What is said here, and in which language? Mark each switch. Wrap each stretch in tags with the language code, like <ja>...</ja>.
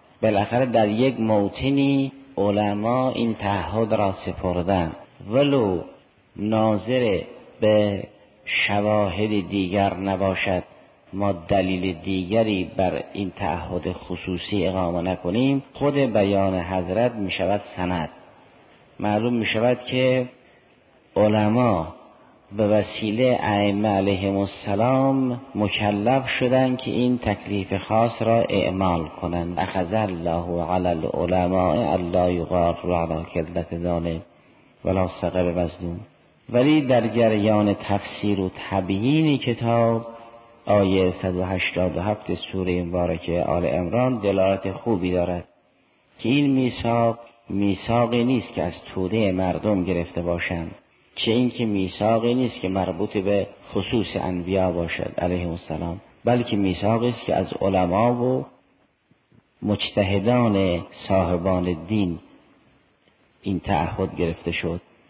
<fa>بالاخره در یک موطنی علما این تعهد را سپردن، ولو ناظر به شواهد دیگر نباشد، ما دلیل دیگری بر این تعهد خصوصی اقامه نکنیم، خود بیان حضرت می شود سند. معلوم می شود که علما به وسیله ائمه علیهم السلام مکلف شدند که این تکلیف خاص را اعمال کنند.</fa> <ar>اخذ الله على العلماء الا يغاروا على كلمه ظالم ولا ثقب مظلوم.</ar> <fa>ولی در جریان تفسیر و تبیین کتاب آیه 187 سوره مبارکه آل عمران دلالت خوبی دارد که این میثاق میثاقی نیست که از توده مردم گرفته باشند، چه اینکه میثاقی نیست که مربوط به خصوص انبیا باشد علیهم السلام، بلکه میثاقی است که از علما و مجتهدان صاحبان دین این تعهد گرفته شد.</fa>